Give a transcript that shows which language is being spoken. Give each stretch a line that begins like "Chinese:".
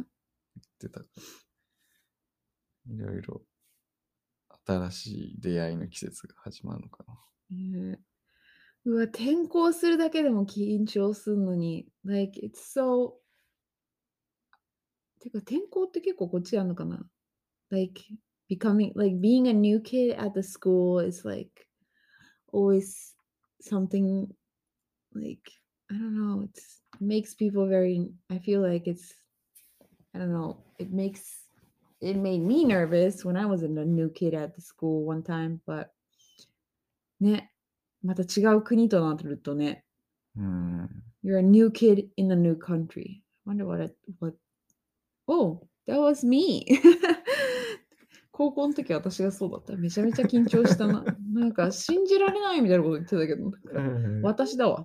Japanese: 言ってた。いろいろ新しい出会いの季節が始まるのかな。うわ、転校するだけでも緊張するのに、
English: like it's so。
Japanese: てか転校って結構こっちあるのかな。
English: Like becoming, like being a new kid at the school is like always something like, I don't know, it makes people very, I feel like it's, I don't know, it made me nervous when I was a new kid at the school one time, but
Japanese: ね、また違う国となるとね、
English: you're a new kid in a new country. I wonder what, oh, that was me.
Japanese: 高校の時私がそうだった。めちゃめちゃ緊張したな。なんか信じられないみたいなこと言ってたけど、私だわ。